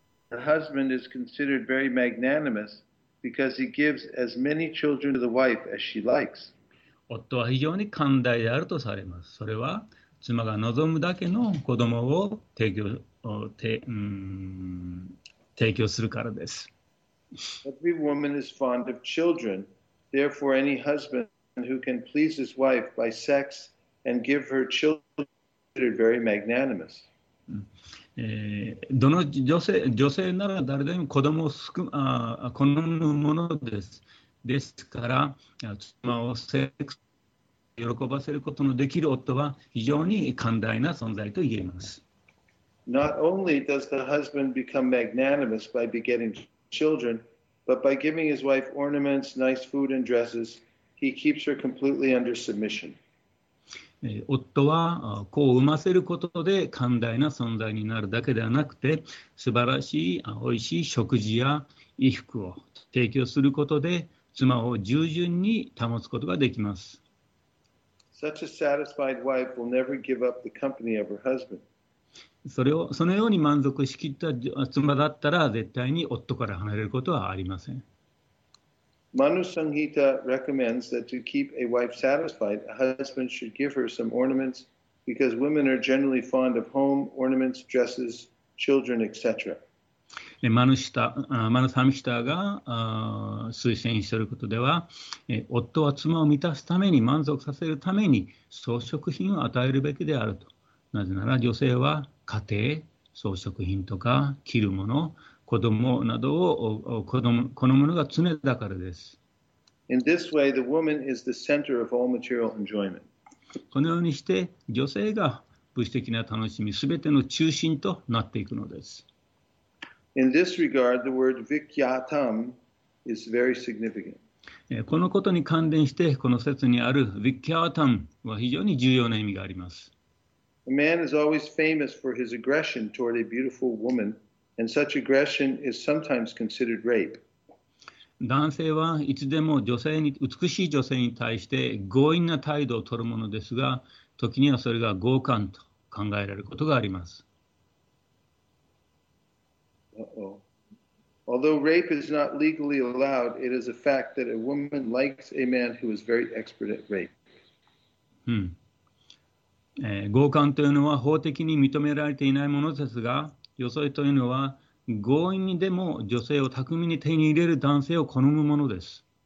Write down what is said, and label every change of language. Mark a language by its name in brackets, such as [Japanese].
[English] The husband is considered very magnanimous because he gives as many children to the wife as she likes. [Japanese] 夫は非常に寛大であるとされます。それは妻が望むだけの子供を提供するからです。 [English] Every woman is fond of children. Therefore, any husband who can please his wife by sex and give her children is considered very magnanimous. [Japanese] どの女性なら誰でも子供を好むものです。ですから、妻をセックスを喜ばせることのできる夫は非常に寛大な存在と言えます。 [English] Not only does the husband become magnanimous by begetting children, but by giving his wife ornaments, nice food and dresses, he keeps her completely under submission. [Japanese] 夫は子を産ませることで寛大な存在になるだけではなくて、素晴らしい、おいしい食事や衣服を提供することで、妻を従順に保つことができます。 [English] Such a satisfied wife will never give up the company of her husband. [Japanese] そのように満足しきった妻だったら、絶対に夫から離れることはありません。 [English] Manu Sanghita recommends that to keep a wife satisfied, a husband should give her some ornaments because women are generally fond of home, ornaments, dresses, children, etc. [Japanese] マヌサミシタが推薦していることでは、夫は妻を満たすために、満足させるために装飾品を与えるべきであると。なぜなら女性は家庭、装飾品とか着るもの、子供などを好むのが常だからです。 [English] In this way, the woman is the center of all material enjoyment. [Japanese] このようにして、女性が物質的な楽しみ、すべての中心となっていくのです。 [English] In this regard, the word vikyatam is very significant. [Japanese] このことに関連して、この説にある vikyatam は非常に重要な意味があります。 [English] A man is always famous for his aggression toward a beautiful woman. And such aggression is sometimes considered rape. [Japanese] 男性はいつでも女性に、美しい女性に対して強引な態度を取るものですが、時にはそれが強姦と考えられることがあります。 [English] Although rape is not legally allowed, it is a fact that a woman likes a man who is very expert at rape. [Japanese] 強姦というのは法的に認められていないものですが、女性というのは強引にでも女性を巧みに手に入れる男性を好むものです。